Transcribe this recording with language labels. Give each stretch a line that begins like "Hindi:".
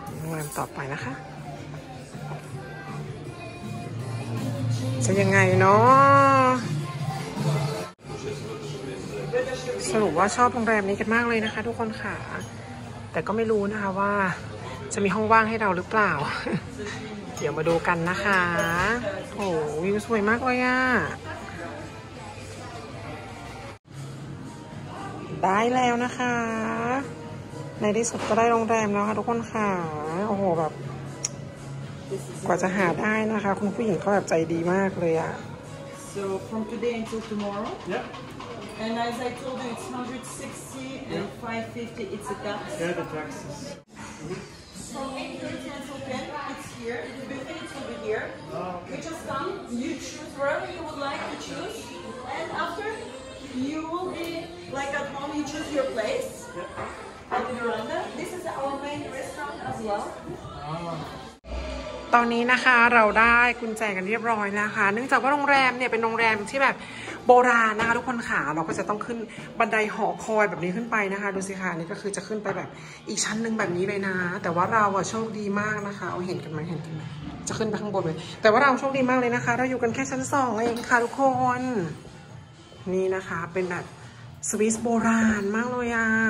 Thai: แรมต่อไปนะคะจะยังไงเนาะสรุปว่าชอบโรงแรมนี้กันมากเลยนะคะทุกคนค่ะแต่ก็ไม่รู้นะคะว่าจะมีห้องว่างให้เราหรือเปล่าเดี๋ยวมาดูกันนะคะโอ้วิวสวยมากเลยอ่ะ ได้แล้วนะคะในที่สุดก็ได้โรงแรมแล้วค่ะทุกคนค่ะโอ้โหแบบกว่าจะหาได้นะคะคุณผู้หญิงเขาแบบใจดีมากเลยอ่ะ
English: so from today until tomorrow yep and as I told you it's 160 and 550 it's a taxi yeah the taxis so if your hotel is open it's here if the buffet it will be here you just come you choose wherever you would like to choose and after you will be like at home you choose your place at the veranda this is our main restaurant as well
Thai: ตอนนี้นะคะเราได้กุญแจกันเรียบร้อยนะคะเนื่องจากว่าโรงแรมเนี่ยเป็นโรงแรมที่แบบโบราณนะคะทุกคนค่ะเราก็จะต้องขึ้นบันไดหอคอยแบบนี้ขึ้นไปนะคะดูสิค่ะนี่ก็คือจะขึ้นไปแบบอีกชั้นนึงแบบนี้เลยนะแต่ว่าเราอะโชคดีมากนะคะเห็นกันไหมเห็นกันไหมจะขึ้นไปข้างบนเลยแต่ว่าเราโชคดีมากเลยนะคะเราอยู่กันแค่ชั้น2เองค่ะทุกคนนี่นะคะเป็นแบบสวิสโบราณมากเลยอะ